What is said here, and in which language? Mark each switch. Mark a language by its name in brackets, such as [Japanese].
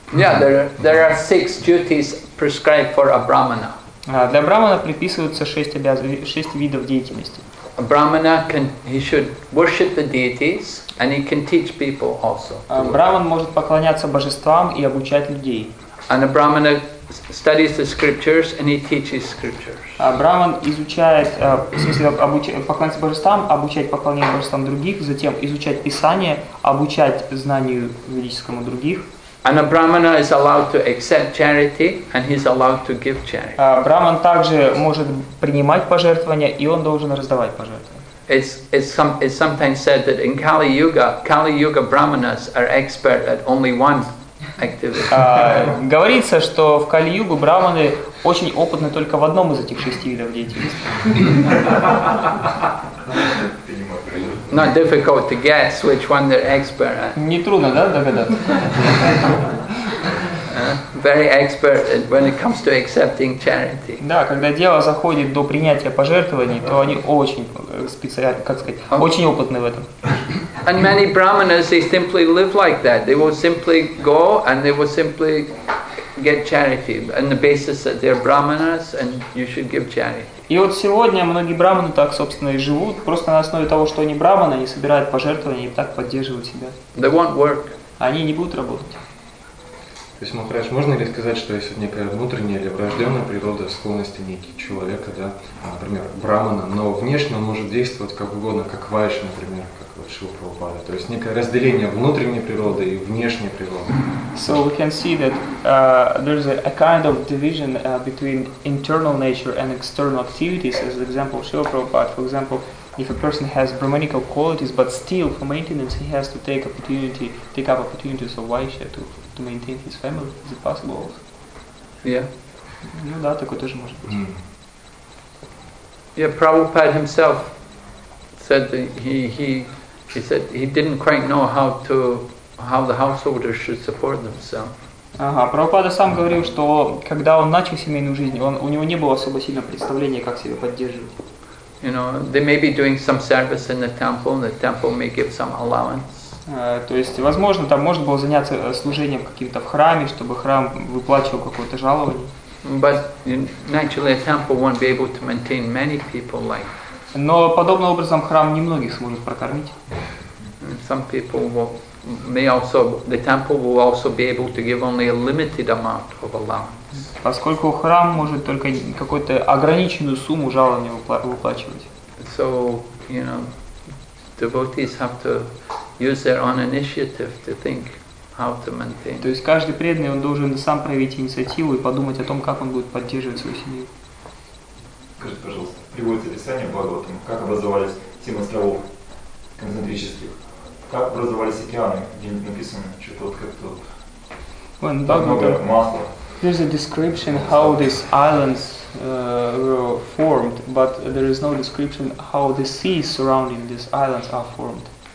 [English] Yeah, there are six duties prescribed for a Brahmana. [Russian] Для Брахмана приписываются шесть видов деятельности. [English] A Brahmana can, he should worship the deities, and he can teach people also. [Russian] Брахман может поклоняться божествам и обучать людей. [English] And a Brahmana studies the scriptures and he teaches scriptures. [Russian] Брахман изучает, в смысле, поклоняться божествам, обучать поклонению божествам других, затем изучать Писание, обучать знанию ведическому других. [English] And a Brahmana is allowed to accept charity, and he's allowed to give charity. [Russian] Брахман также может принимать пожертвования, и он должен раздавать пожертвования. [English] It's sometimes said that in Kali Yuga Brahmanas are expert at only one activity. [Russian] Говорится, что в Кали-Югу Брахманы очень опытны только в одном из этих шести видов деятельности. [English] Not difficult to guess which one they're expert at. [Russian] Не трудно, да, догадаться? [English] Very expert when it comes to accepting charity. [Russian] Да, когда дело заходит до принятия пожертвований, то они очень специально, как сказать, очень опытны в этом. [English] And many brahmanas, they simply live like that. They will simply go and they will simply get charity on the basis that they're brahmanas and you should give charity. [Russian] И вот сегодня многие брахманы так, собственно, и живут, просто на основе того, что они брахманы, они собирают пожертвования и так поддерживают себя. [English] They won't work. [Russian] Они не будут работать. То есть, Махарадж, можно ли сказать, что есть некая внутренняя или врожденная природа склонности некий человека, да, например, брахмана, но внешне он может действовать как угодно, как вайшь, например, как вот Шрила Прабхупада. То есть некое разделение внутренней природы и внешней природы. [English] So we can see that there's a kind of division between internal nature and external activities. As an example, Srila Prabhupada, for example, if a person has brahmanical qualities, but still for maintenance he has to take up opportunities of vaishya to maintain his family. Is it possible? Yeah. [Russian] Ну да, такое тоже может быть. [English] Yeah, Prabhupada himself said that he said he didn't quite know how the householders should support themselves. [Russian] Ага, Прабхупада сам говорил, что когда он начал семейную жизнь, у него не было особо сильного представления, как себя поддерживать. [English] You know, they may be doing some service in the temple, and the temple may give some allowance. [Russian] То есть, возможно, там можно было заняться служением каким-то в храме, чтобы храм выплачивал какое-то жалование. [English] But naturally, a temple won't be able to maintain many people like. [Russian] Но подобным образом храм немногих сможет прокормить. [English] Some people will. May also the temple will also be able to give only a limited amount of allowance. [Russian] Поскольку храм может только какую-то ограниченную сумму жалования выплачивать. [English] So, you know, devotees have to use their own initiative to think how to maintain. [Russian] То есть каждый преданный он должен сам проявить инициативу и подумать о том, как он будет поддерживать свою семью. Скажите, пожалуйста, приводится описание Бхагаватам, как образовались семь островов концентрических? Как образовались океаны, где написано, что вот как-то вот так много масла. [English] There's a description how these islands were formed, but there is no description how the seas surrounding these islands are formed.